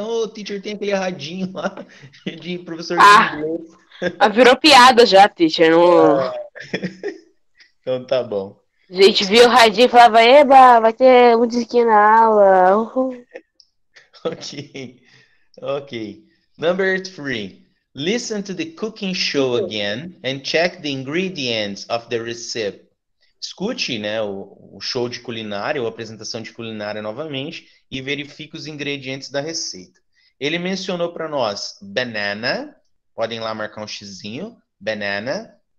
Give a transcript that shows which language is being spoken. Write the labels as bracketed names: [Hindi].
[Portuguese] O teacher tem aquele radinho lá de professor de Ah, virou piada já, teacher. Não... inglês. Então tá bom. Gente, viu o radinho e falava, eba, vai ter um disquinho na aula. [English] Ok. Number three. Listen to the cooking show again and check the ingredients of the recipe. [Portuguese] Escute, né, o show de culinária ou apresentação de culinária novamente e verifique os ingredientes da receita. Ele mencionou para nós banana, podem lá marcar um xizinho, banana.